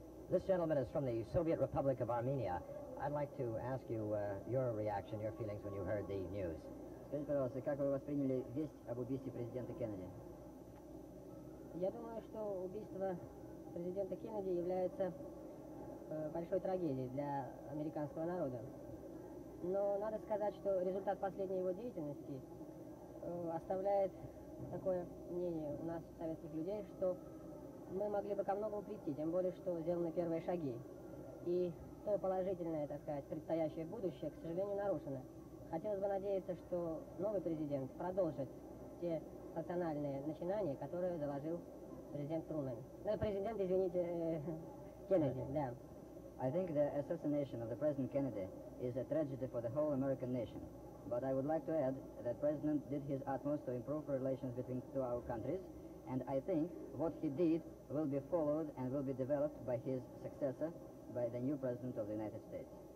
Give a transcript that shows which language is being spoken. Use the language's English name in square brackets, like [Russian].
[English] This gentleman is from the Soviet Republic of Armenia. I'd like to ask you your reaction, your feelings when you heard the news. [Russian] Скажите, пожалуйста, как вы восприняли весть об убийстве президента Кеннеди? Я думаю, что убийство президента Кеннеди является большой трагедией для американского народа. Но надо сказать, что результат последней его деятельности оставляет такое мнение у нас, советских людей, что мы могли бы ко многому прийти, тем более, что сделаны первые шаги. И то положительное, так сказать, предстоящее будущее, к сожалению, нарушено. Хотелось бы надеяться, что новый президент продолжит те национальные начинания, которые заложил президент Трумэн. Ну, президент, извините, Кеннеди, да. [English] I think the assassination of the President Kennedy is a tragedy for the whole American nation. But I would like to add that President did his utmost to improve relations between two our countries, and I think what he did will be followed and will be developed by his successor, by the new President of the United States.